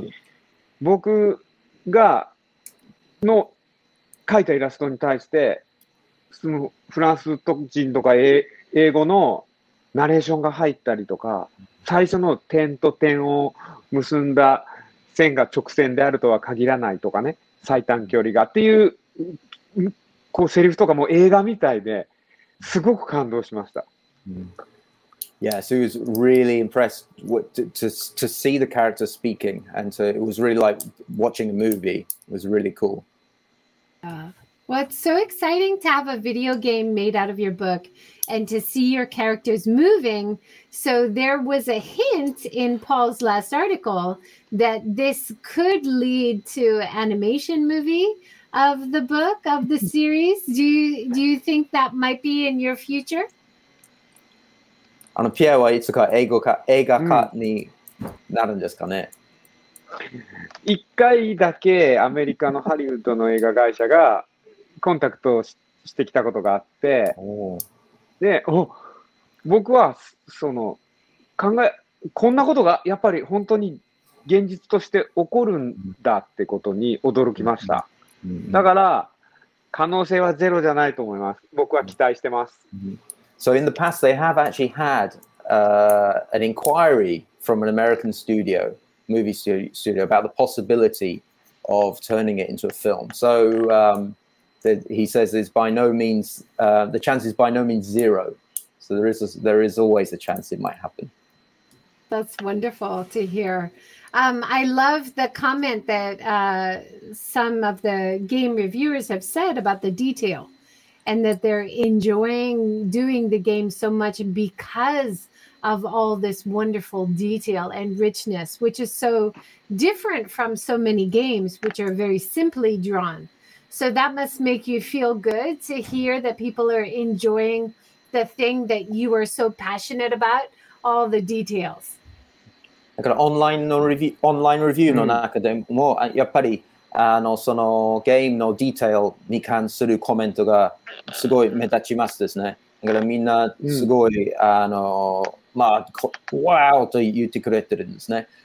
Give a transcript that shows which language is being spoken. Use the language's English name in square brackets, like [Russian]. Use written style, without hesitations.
[Japanese] うん、僕がの描いたイラストに対してそのフランス人とか英語のナレーションが入ったりとか最初の点と点を結んだ線が直線であるとは限らないとかね最短距離がっていう、こうセリフとかも映画みたいですごく感動しました。 Mm. [English] Yeah, so he was really impressed to see the character speaking. And so it was really like watching a movie. It was really cool. Well, it's so exciting to have a video game made out of your book and to see your characters moving. So there was a hint in Paul's last article that this could lead to animation movie of the book, of the series. Do you think that might be in your future? [Japanese] あのピアはいつか映画化になるんですかね、うん、一回だけアメリカのハリウッドの映画会社がコンタクトをしてきたことがあってで僕はその考えこんなことがやっぱり本当に現実として起こるんだってことに驚きました、うんうん、だから可能性はゼロじゃないと思います僕は期待してます、 [English] うんうんSo in the past, they have actually had an inquiry from an American studio, movie studio, about the possibility of turning it into a film. So he says it's by no means, the chance is by no means zero. So there is always a chance it might happen. That's wonderful to hear. I love the comment that some of the game reviewers have said about the detail. And that they're enjoying doing the game so much because of all this wonderful detail and richness, which is so different from so many games, which are very simply drawn. So that must make you feel good to hear that people are enjoying the thing that you are so passionate about, all the details. [Japanese] だからオンラインレビューの中でもやっぱりあのそのゲームのディテールに関するコメントがすごい目立ちますですね。だからみんなすごい、うん、あのまあワオと言ってくれてるんですね。